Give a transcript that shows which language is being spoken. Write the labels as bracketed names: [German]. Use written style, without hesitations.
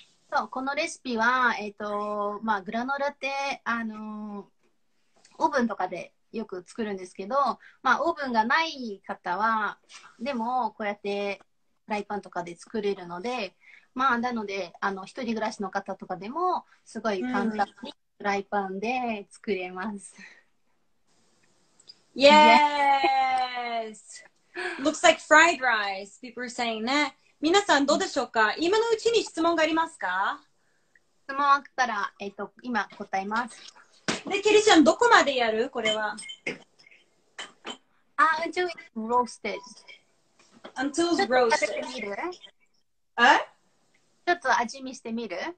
[Japanese] そう、このレシピは、まあ、グラノラって、オーブンとかでよく作るんですけど、まあ、オーブンがない方はでもこうやってフライパンとかで作れるので、まあ、なので一人暮らしの方とかでもすごい簡単にフライパンで作れます、 [English] うん、Yes! Looks like fried rice, people are saying ね。 [Japanese] 皆さんどうでしょうか、今のうちに質問がありますか？質問あったら、今答えます。で、ケリちゃんどこまでやる？これは [English] Until roasted. Until roasted. [Japanese] ちょっ味見してみる？ちょっと味見してみる？